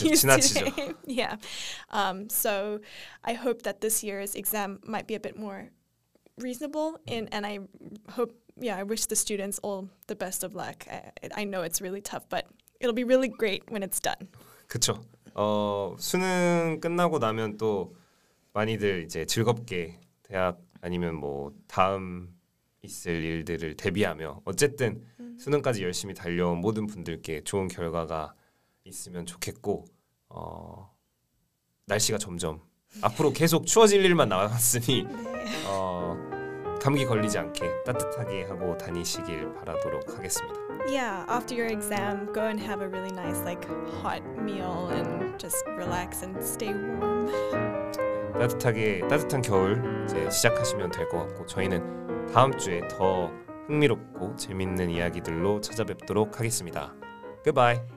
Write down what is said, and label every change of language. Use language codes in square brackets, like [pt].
[en] that we use [ko] 지나치죠. [en] Today. Yeah. So I hope that this year's exam might be a bit more reasonable, and I hope, yeah, I wish the students all the best of luck. I know it's really tough, but it'll be really great when it's done. [ko] 그쵸. 수능 끝나고 나면 또 많이들 이제 즐겁게 대학 아니면 뭐 다음 있을 일들을 대비하며 어쨌든 수능까지 열심히 달려온 모든 분들께 좋은 결과가 있으면 좋겠고 날씨가 점점 앞으로 계속 추워질 일만 남았으니 감기 걸리지 않게 따뜻하게 하고 다니시길 바라도록 하겠습니다. [en] Yeah, after your exam, go and have a really nice like hot meal and just relax and stay warm. [ko] 따뜻하게 따뜻한 겨울 이제 시작하시면 될 것 같고 저희는 다음 주에 더 흥미롭고 재밌는 이야기들로 찾아뵙도록 하겠습니다. Goodbye.